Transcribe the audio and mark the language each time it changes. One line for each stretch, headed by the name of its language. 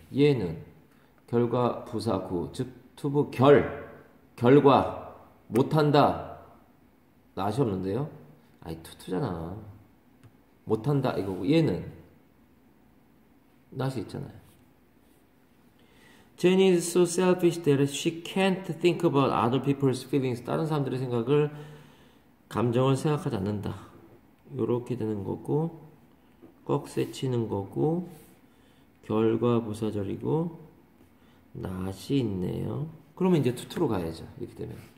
Korean: 얘는 결과 부사구 즉 투부 결 결과 못한다 낫이 없는데요? 아니 투투잖아. 못한다 이거고 얘는 낫이 있잖아요.
English: Jane is so selfish that she can't think about other people's feelings.
Korean: 다른 사람들의 생각을 감정을 생각하지 않는다. 요렇게 되는 거고 꺽쇠 치는 거고 결과 부사절이고 낫이 있네요. 그러면 이제 투투로 가야죠. 이렇게 되면.